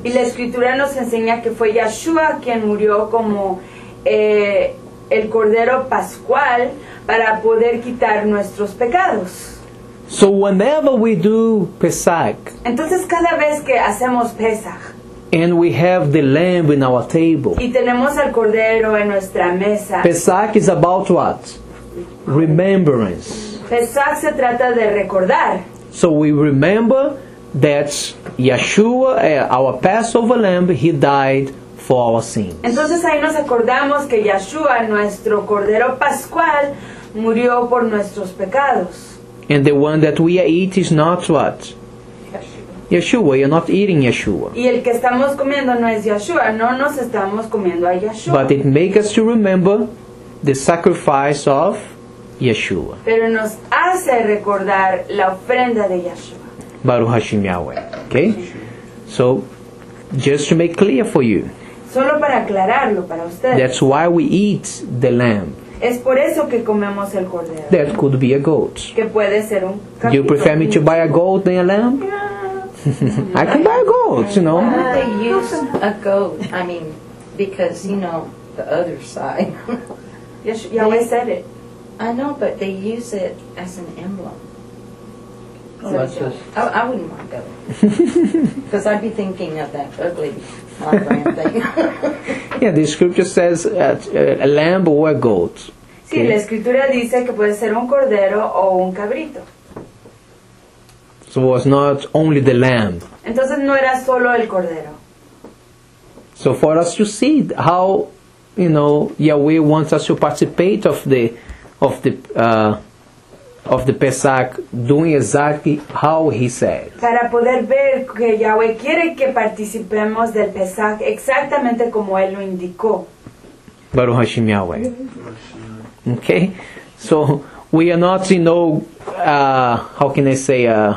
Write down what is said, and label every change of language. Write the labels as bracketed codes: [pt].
[es] Y la escritura nos enseña que fue Yeshua quien murió como el cordero pascual para poder quitar nuestros pecados. [en] So whenever we do Pesach, [es] entonces cada vez que hacemos Pesach, [en] And we have the lamb in our table. [es] Y tenemos el cordero en nuestra mesa. [en] Pesach is about what? Remembrance. [es] Pesach se trata de recordar. [en] So we remember that Yeshua, our Passover lamb, he died for our sins. [es] Entonces ahí nos acordamos que Yeshua, nuestro cordero pascual, murió por nuestros pecados. [en] And the one that we eat is not what? Yeshua, you're not eating Yeshua. [es] Y el que estamos comiendo no es Yeshua, no nos estamos comiendo a Yeshua. [en] But it makes us to remember the sacrifice of Yeshua. [es] Pero nos hace recordar la ofrenda de Yeshua. [he] Baruch Hashem Yahweh. [en] Okay? So, just to make clear for you. [es] Solo para aclararlo para ustedes. [en] That's why we eat the lamb. [es] Es por eso que comemos el cordero. [en] That could be a goat. [es] Que puede ser un cabrito. [en] You prefer me to buy a goat than a lamb? Yeah. I can buy a goat, you know. Why would they use a goat? I mean, because, you know, the other side. Yes, you always said it. I know, but they use it as an emblem. Oh, so that's just... I wouldn't want a goat. Because I'd be thinking of that ugly, my brand thing. Yeah, the scripture says a lamb or a goat. Okay. [es] Sí, la escritura dice que puede ser un cordero o un cabrito. [en] So it was not only the lamb. [es] Entonces no era solo el cordero. [en] So for us to see how, you know, Yahweh wants us to participate of the Pesach, doing exactly how he said. [es] Para poder ver que Yahweh quiere que participemos del Pesach exactamente como él lo indicó. [he] Baruch Hashem Yahweh. [en] Okay, so we are not, you know, how can I say,